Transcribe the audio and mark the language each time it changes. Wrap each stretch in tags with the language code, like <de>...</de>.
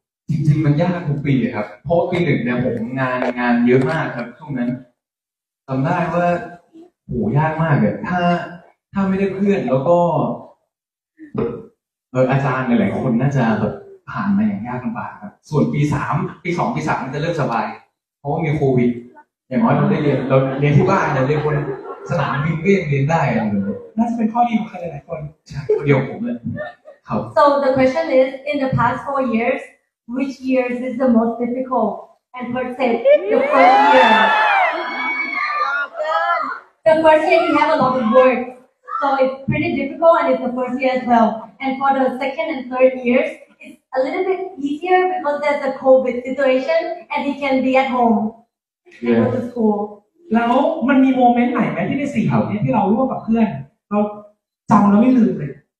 <th>จริงๆมันยากทุกปีครับเพราะปีหนึ่งเนี่ยผมงานเยอะมากครับช่วงนั้นจำได้ว่าโหยากมากเลยถ้าไม่ได้เพื่อนแล้วก็อาจารย์หลายๆคนน่าจะแบบผ่านมาอย่างยากลำบากครับส่วนปีสามปีสองปีสามมันจะเริ่มสบายเพราะว่ามีโควิดอย่างน้อยเราได้เรียนเราเรียนที่บ้านเราเรียนบนสนามบินก็ยังเรียนได้อย่างเดีย วน่าจะเป็นข้อดีของใครหลายๆคน ใช่คนเดียวผมเลยครับ</th> <en>so the question is in the past 4 years which years is the most difficult and what's it the first yearThe first year you have a lot of work, so it's pretty difficult, and it's the first year as well. And for the second and third years, it's a little bit easier because there's a COVID situation, and he can be at home and go to school.</en> <th>แล้วมันมีโมเมนต์ไหนไหมที่ในสี่ปีนี้ที่เราร่วมกับเพื่อนเราจำแล้วไม่ลืมเลย</th>